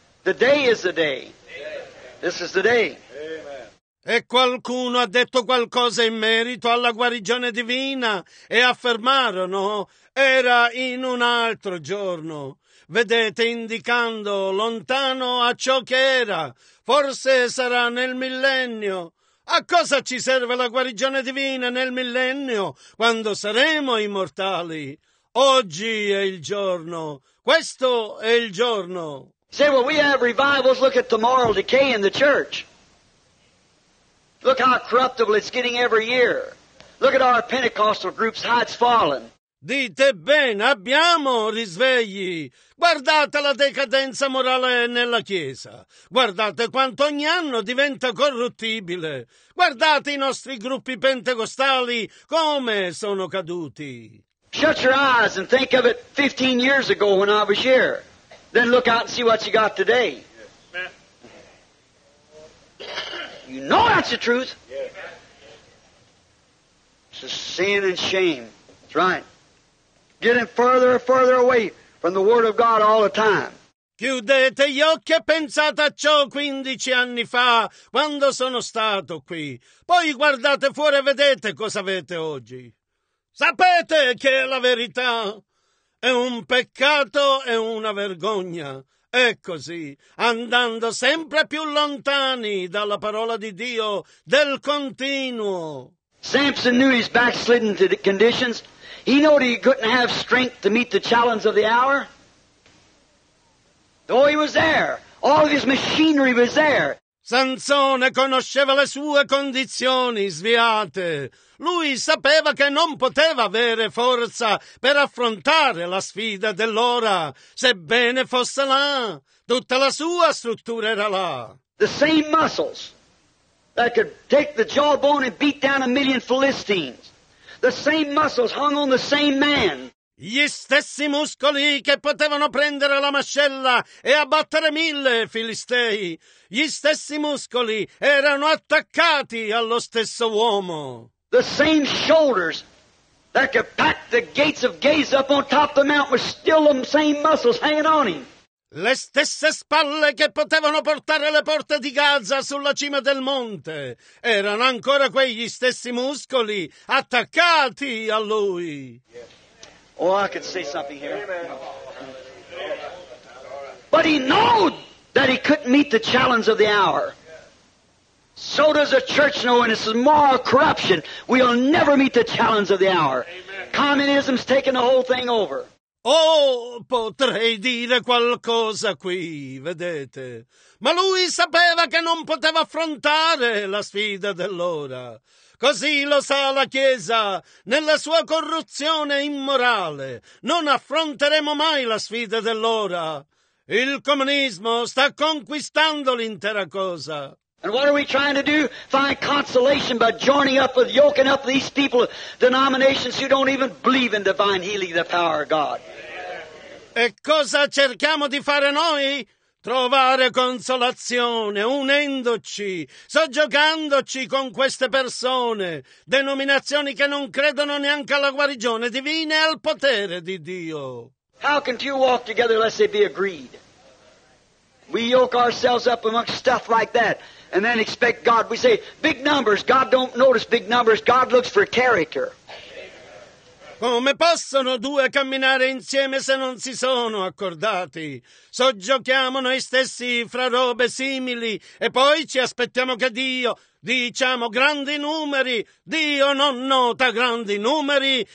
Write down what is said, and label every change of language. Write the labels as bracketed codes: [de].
[en] The day is the day. This is the day. [it] E qualcuno ha detto qualcosa in merito alla guarigione divina e affermarono era in un altro giorno. Vedete, indicando lontano a ciò che era, forse sarà nel millennio. A cosa ci serve la guarigione divina nel millennio quando saremo immortali? Oggi è il giorno. Questo è il giorno. [en] Say, well, we have revivals. Look at the moral decay in the church. Look how corruptible it's getting every year. Look at our Pentecostal groups, how it's fallen. [it] Dite bene, abbiamo risvegli. Guardate la decadenza morale nella Chiesa. Guardate quanto ogni anno diventa corruttibile. Guardate i nostri gruppi pentecostali come sono caduti. [en] Shut your eyes and think of it 15 years ago when I was here. Then look out and see what you got today. You know that's the truth. It's a sin and shame. That's right. Getting further and further away from the Word of God all the time. [it] Chiudete gli occhi e pensate a ciò 15 anni fa, quando sono stato qui. Poi guardate fuori e vedete cosa avete oggi. Sapete che è la verità. È un peccato e una vergogna. E così, andando sempre più lontani dalla parola di Dio, del continuo. [en] Samson knew his backslidden conditions. He knew he couldn't have strength to meet the challenge of the hour. Though he was there, all of his machinery was there. [it] Sansone conosceva le sue condizioni sviate. Lui sapeva che non poteva avere forza per affrontare la sfida dell'ora. Sebbene fosse là, tutta la sua struttura era là. [en] The same muscles that could take the jawbone and beat down a million Philistines. The same muscles hung on the same man. [it] Gli stessi muscoli che potevano prendere la mascella e abbattere mille filistei. Gli stessi muscoli erano attaccati allo stesso uomo. [en] The same shoulders that could pack the gates of Gaza up on top of the mountain were still the same muscles hanging on him. [it] Le stesse spalle che potevano portare le porte di Gaza sulla cima del monte erano ancora quegli stessi muscoli attaccati a lui. [en] Oh, I could say something here. But he knew that he couldn't meet the challenge of the hour. So does the church know, and it's moral corruption. We'll never meet the challenge of the hour. Communism's taken the whole thing over. [it] Oh, potrei dire qualcosa qui, vedete. Ma lui sapeva che non poteva affrontare la sfida dell'ora. Così lo sa la Chiesa, nella sua corruzione immorale. Non affronteremo mai la sfida dell'ora. Il comunismo sta conquistando l'intera cosa. [en] And what are we trying to do? Find consolation by joining up with, yoking up these people, denominations who don't even believe in divine healing, the power of God. [it] E cosa cerchiamo di fare noi? Trovare consolazione, unendoci, soggiogandoci con queste persone, denominazioni che non credono neanche alla guarigione divina e al potere di Dio. [en] How can two walk together unless they be agreed? We yoke ourselves up amongst stuff like that. And then expect God. We say, big numbers. God don't notice big numbers. God looks for character. [it] Come possono due camminare insieme se non si sono accordati? Soggiochiamo noi stessi fra robe simili e poi ci aspettiamo che Dio, diciamo, grandi numeri. Dio non nota grandi numeri.